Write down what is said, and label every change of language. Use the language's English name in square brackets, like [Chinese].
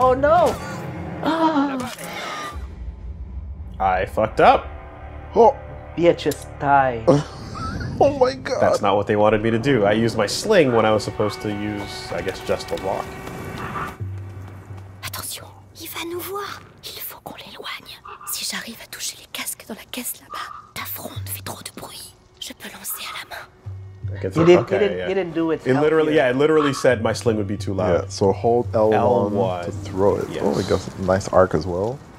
[English] Oh, no! I fucked up! Oh! Beatrice, die. Oh my god. That's not what they wanted me to do. I used my sling when I was supposed to use, I guess, just the lock. [French] Attention, il va nous voir. Il faut qu'on l'éloigne. Si j'arrive à toucher les casques dans la caisse là-bas, ta fronde fait trop de bruit. Je peux lancer à la main. [English] He didn't do it. It literally said my sling would be too loud. Yeah, so hold L1 to throw it. Yes. Oh, we got a nice arc as well.